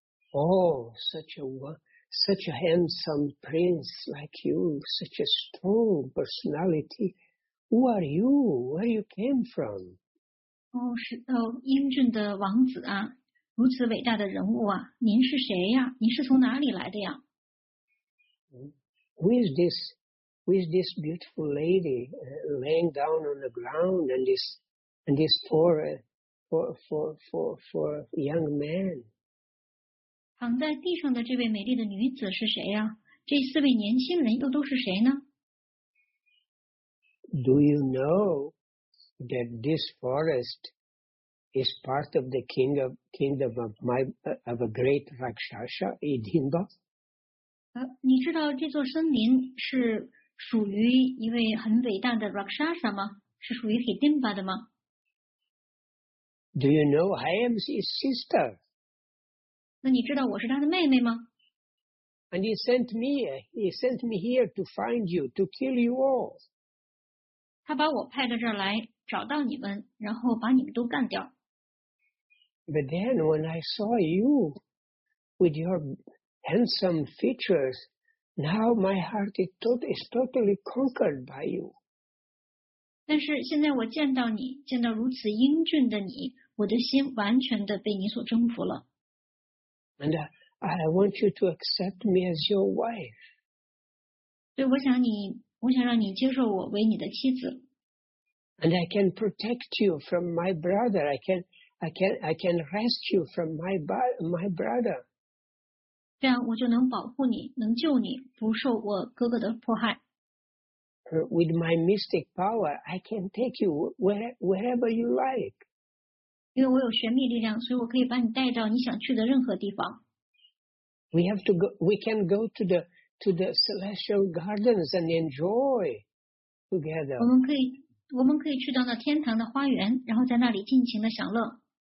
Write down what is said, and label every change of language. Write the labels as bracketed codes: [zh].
[en] Oh, such a handsome prince like you, such a strong personality. Who are you? Where you came from? [zh] 英俊的王子啊，如此伟大的人物啊，您是谁呀？您是从哪里来的呀？ [en] Who is this beautiful lady laying down on the ground and this poor young man? [zh] 躺在地上的这位美丽的女子是谁呀？这四位年轻人又都是谁呢？ [en] Do you know that this forest is part of the kingdom of a great Rakshasa, Idhimba? [zh] 你知道这座森林是属于一位很伟大的 Rakshasa 吗？是属于 Idhimba 的吗？ [en] Do you know I am his sister? [zh] 那你知道我是他的妹妹吗？ [en] And he sent me here to find you, to kill you all. [zh] 他把我派到这儿来找到你们，然后把你们都干掉。 [en] But then when I saw you with your handsome features, now my heart is totally conquered by you. [zh] 但是现在我见到你，见到如此英俊的你，我的心完全的被你所征服了。 [en] And I want you to accept me as your wife. [zh] 对，我想让你接受我为你的妻子。 [en] And I can protect you from my brother. I can rescue from my brother. [zh] 这样我就能保护你，能救你，不受我哥哥的迫害。 [en] With my mystic power, I can take you wherever you like. [zh] 因为我有玄秘力量，所以我可以把你带到你想去的任何地方。 [en] We have to go. We can go to the celestial gardens and enjoy together. [zh] 我们可以去到那天堂的花园，然后在那里尽情的享乐。